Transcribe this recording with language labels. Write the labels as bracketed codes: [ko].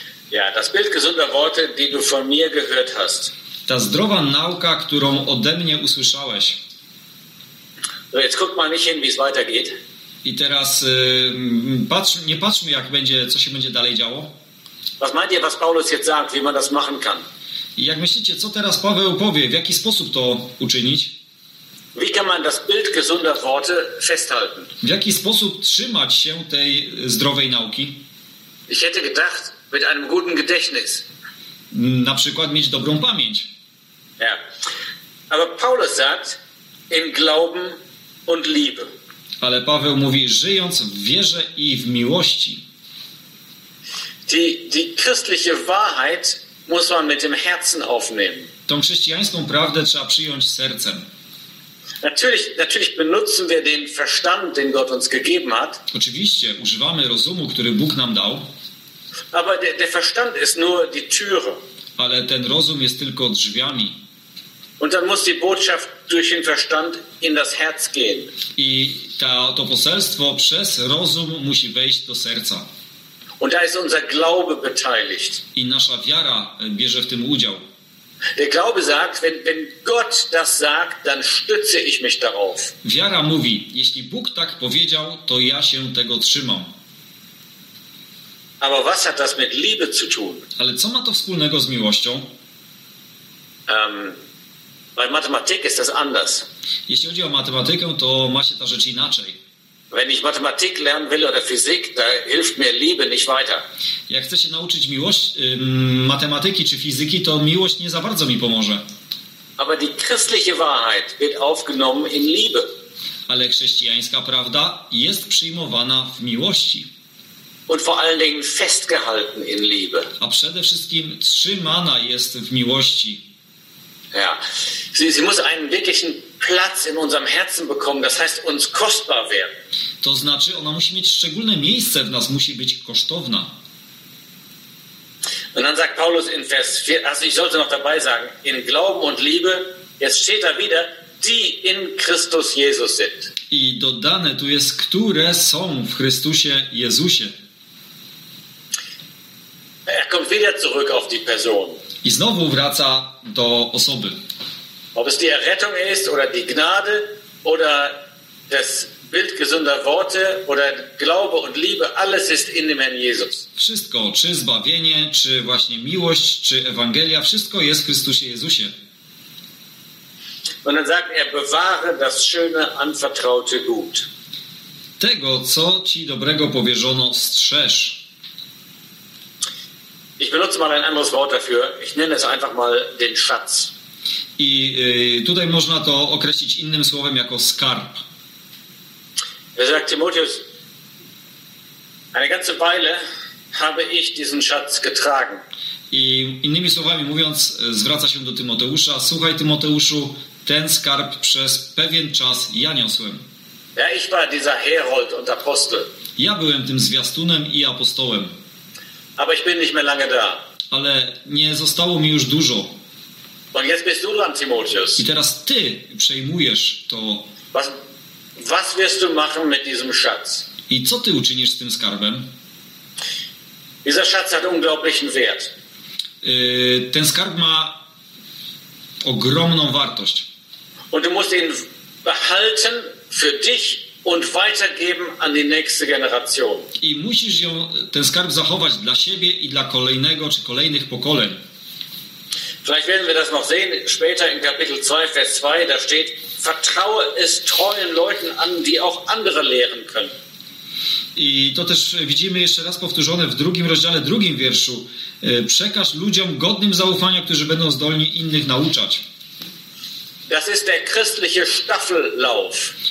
[de] Ja, das Bild gesunder Worte, die du von mir gehört hast. [pl] Ta zdrowa nauka, którą ode mnie usłyszałeś. [de] So, jetzt guck mal nicht hin, wie es weitergeht. [pl] I teraz nie patrzmy, jak będzie, co się będzie dalej działo. [de] Was meint ihr, was Paulus jetzt sagt, wie man das machen kann? [pl] I jak myślicie, co teraz Paweł powie, w jaki sposób to uczynić? [de] Wie kann man das Bild gesunder Worte festhalten? [pl] W jaki sposób trzymać się tej zdrowej nauki? [de] Ich hätte gedacht, mit einem guten Gedächtnis. [pl] Na przykład mieć dobrą pamięć. [de] Ja. Aber Paulus sagt, im Glauben und Liebe. [pl] Ale Paweł mówi, żyjąc w wierze i w miłości. [de] Die christliche Wahrheit muss man mit dem Herzen aufnehmen. [pl] Tą chrześcijańską prawdę trzeba przyjąć sercem. [de] Natürlich benutzen wir den Verstand, den Gott uns gegeben hat. [pl] Oczywiście używamy rozumu, który Bóg nam dał. [de] Aber der Verstand ist nur die Türe. [pl] Ale ten rozum jest tylko drzwiami. [de] Und dann muss die Botschaft durch den Verstand in das Herz gehen. [pl] I to poselstwo przez rozum musi wejść do serca. [de] Und da ist unser Glaube beteiligt. [pl] I nasza wiara bierze w tym udział. [de] Der Glaube sagt, wenn Gott das sagt, dann stütze ich mich darauf. [pl] Wiara mówi, jeśli Bóg tak powiedział, to ja się tego trzymam. [de] Aber was hat das mit Liebe zu tun? [pl] Ale co ma to wspólnego z miłością? [de] Bei Mathematik ist das anders. [pl] Jeśli chodzi o matematykę, to ma się ta rzecz inaczej. [de] Wenn ich Mathematik lernen will oder Physik, da hilft mir Liebe nicht weiter. [pl] Jak chcę się nauczyć matematyki czy fizyki, to miłość nie za bardzo mi pomoże. [de] Aber die christliche Wahrheit wird aufgenommen in Liebe. [pl] Ale chrześcijańska prawda jest przyjmowana w miłości. [de] Und vor allen Dingen festgehalten in Liebe. [pl] A przede wszystkim trzymana jest w miłości. [de] Ja, sie muss einen wirklichen Platz in unserem Herzen bekommen, das heißt uns kostbar werden. [pl] To znaczy, ona musi mieć szczególne miejsce w nas, musi być kosztowna. [de] Und dann sagt Paulus in Vers 4, also ich sollte noch dabei sagen, in Glauben und Liebe, jetzt steht da wieder, die in Christus Jesus sind. [pl] I dodane tu jest, które są w Chrystusie Jezusie. [de] Er kommt wieder zurück auf die Person. [pl] I znowu wraca do osoby. [de] Ob es die Errettung ist oder die Gnade oder das Bild gesunder Worte oder Glaube und Liebe, alles ist in dem Herrn Jesus. [pl] Wszystko, czy zbawienie, czy właśnie miłość, czy Ewangelia, wszystko jest w Chrystusie Jezusie. [de] Und dann sagt er, bewahre das schöne, anvertraute Gut. [pl] Tego, co ci dobrego powierzono, strzeż. [de] Ich benutze mal ein anderes Wort dafür. Ich nenne es einfach mal den Schatz. [pl] I tutaj można to określić innym słowem jako skarb. [de] Er sagt Timotheus, eine ganze Weile habe ich diesen Schatz getragen. [pl] I innymi słowami mówiąc, zwraca się do Tymoteusza, słuchaj Tymoteuszu, ten skarb przez pewien czas ja niosłem. [de] Ja, ich war dieser Herold und Apostel. [pl] Ja byłem tym zwiastunem i apostołem. [de] Aber ich bin nicht mehr lange da. [pl] Ale nie zostało mi już dużo. [de] Und jetzt bist du dran, Timotheus. [pl] I teraz ty przejmujesz to. [de] Was wirst du machen mit diesem Schatz? [pl] I co ty uczynisz z tym skarbem? [de] Dieser Schatz hat unglaublichen Wert. [pl] Ten skarb ma ogromną wartość. [de] Und du musst ihn behalten für dich und weitergeben an die nächste Generation. [pl] I musisz ją, ten skarb zachować dla siebie i dla kolejnego czy kolejnych pokoleń. [de] Vielleicht werden wir das noch sehen später in Kapitel 2, Vers 2. Da steht: Vertraue es treuen Leuten an, die auch andere lehren können. [pl] I to też widzimy jeszcze raz powtórzone w drugim rozdziale, drugim wierszu. Przekaż ludziom godnym zaufania, którzy będą zdolni innych nauczać. [de] Das ist der christliche Staffellauf.